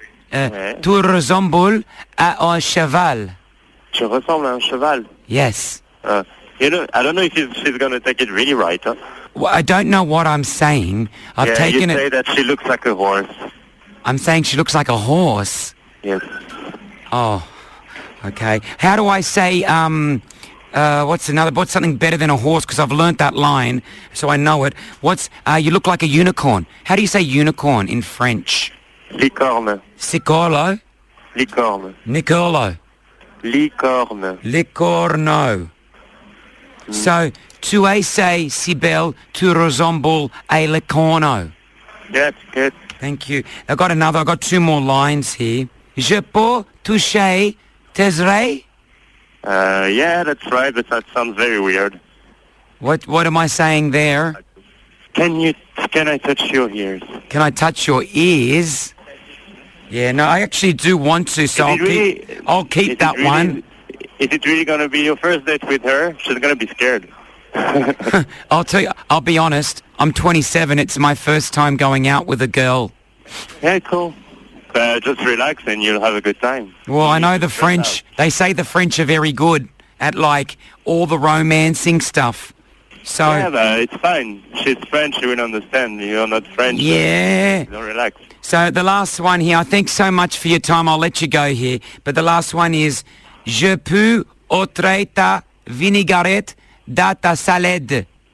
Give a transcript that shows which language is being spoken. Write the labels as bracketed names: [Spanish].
[French] Tu ressembles à un cheval. Tu ressembles à un cheval. [English] Yes. You know, I don't know if she's going to take it really right. Huh? Well, I don't know what I'm saying. I've taken it. Yeah, you say that she looks like a horse. I'm saying she looks like a horse. Yes. Oh, okay. How do I say, what's something better than a horse? Because I've learnt that line, so I know it. You look like a unicorn. How do you say unicorn in French? [French] Licorne. Cicolo? Licorne. Nicolo? Licorne. Licorno. Mm. So, tu es say, si belle, tu ressembles a licorno. [English] That's good. Thank you. I've got two more lines here. [French] Je peux toucher tes oreilles? [English] Yeah, that's right, but that sounds very weird. What am I saying there? Can I touch your ears? Can I touch your ears? Yeah, no, I actually do want to, so I'll keep that one. Is it really going to be your first date with her? She's going to be scared. I'll tell you, I'll be honest, I'm 27, it's my first time going out with a girl. Yeah, cool. Just relax and you'll have a good time. Well, I know the French, they say the French are very good at, like, all the romancing stuff. So yeah, it's fine. She's French, you will understand. You're not French. Yeah. Don't relax. So the last one here, thanks so much for your time. I'll let you go here. But the last one is, [French] je peux autrer ta vinaigrette dans ta salade.